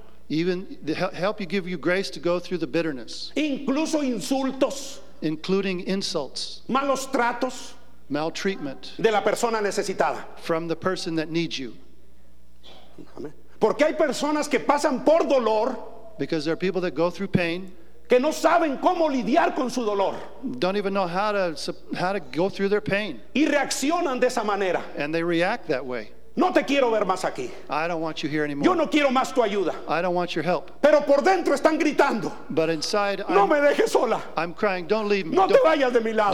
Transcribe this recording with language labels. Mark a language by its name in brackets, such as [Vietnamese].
[English] even help you, give you grace to go through the bitterness, [Spanish] incluso insultos, [English] including insults, [Spanish] malos tratos, [English] maltreatment, [Spanish] de la persona necesitada, [English] from the person that needs you. [Spanish] Amen. Porque hay personas que pasan por dolor, [English] because there are people that go through pain, [Spanish] que no saben cómo lidiar con su dolor, [English] don't even know how to go through their pain, [Spanish] y reaccionan de esa manera, [English] and they react that way. [Spanish] No te quiero ver más aquí, [English] I don't want you here anymore, [Spanish] yo no quiero más tu ayuda, [English] I don't want your help, [Spanish] pero por dentro están gritando, [English] but inside, [Spanish] no me dejes sola, [English] I'm crying, don't leave me, [Spanish] no te vayas de mi lado,